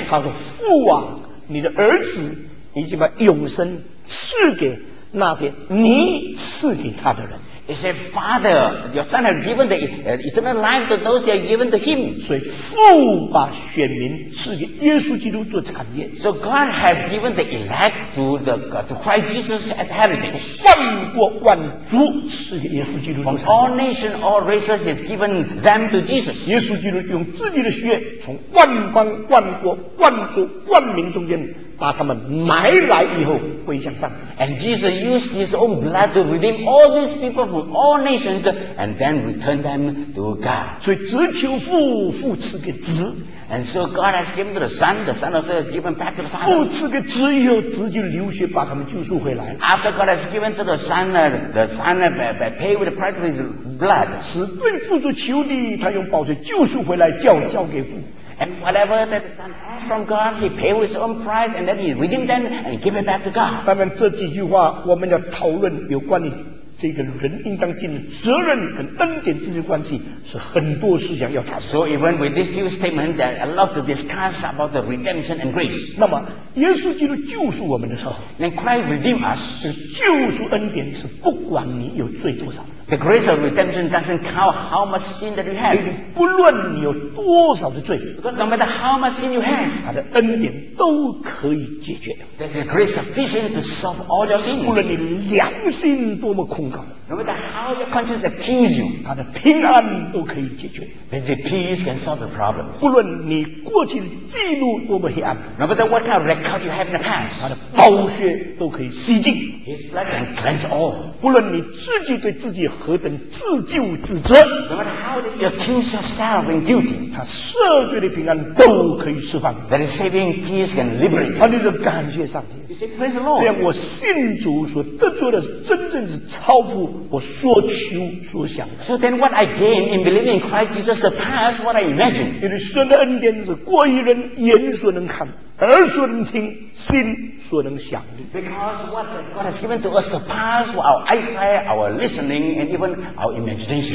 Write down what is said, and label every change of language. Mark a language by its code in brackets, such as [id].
[zh] 他说父啊，你的儿子已经把永生赐给那些你赐给他的人。 [en] He said, Father, your son has given the eternal life to those that are given to him. [zh] 所以父把选民赐给耶稣基督做产业。 [en] So God has given the elect to the to Christ Jesus as heritage. [zh] 万国万族赐给耶稣基督做产业。 [en] From all nations, all races has given them to Jesus. [zh] 耶稣基督用自己的血从万邦、万国、万族、万民中间把他们买来以后归向上帝。 [en] And Jesus used his own blood to redeem all these people from all nations and then return them to God. [zh] 所以子求父，父赐给子。 [en] And so God has given to the son, the son also has given back to the father. [zh] 父赐给子以后，子就流血把他们救赎回来。 [en] After God has given to the son paid with the price of his blood. [zh] 子对父所求的，他用宝血救赎回来，交给父。 [en] And whatever that the son asked from God, he paid with his own price, and then he redeemed them and gave it back to God. [zh] 当然，这几句话我们要讨论有关于这个人应当尽的责任跟恩典之间的关系，是很多事情要谈。 [en] So even with this few statements, there are a lot to discuss about the redemption and grace. [zh] 那么，耶稣基督救赎我们的时候 [en] ，When Christ redeemed us, [zh] 这救赎恩典是不管你有罪多少。 [en] The grace of redemption doesn't count how much sin that you have. [zh] 不论你有多少的罪 [en] ，because no matter how much sin you have, [zh] 他的恩典都可以解决。 [en] That the grace sufficient to solve all your sins. [zh] 不论你良心多么空高 [en] ，no matter how your conscience accuses you, [zh] 他的平安都可以解决。 [en] That the peace can solve the problem. [zh] 不论你过去的记录多么黑暗 [en] ，no matter what kind of record you have in the past, [zh] 他的宝血都可以洗净。 [en] His blood can cleanse all. [zh] 不论你自己对自己何等自救自责 [en] ，No matter how you accuse yourself in guilty， [zh] 他赦罪的平安都可以释放。 [en] That is saving peace and liberating。 [zh] 他那种感谢上帝 [en] ，You say praise the Lord。 [zh] 这样我信主所得着的，真正是超乎我所求所想。 [en] So then what I gain in believing in Christ Jesus surpass what I imagine。 [zh] 因为神的恩典是过于人眼所能看。耳所能听，心所能想的。 [en] Because what God has given to us surpass our eyesight, our listening, and even our imagination.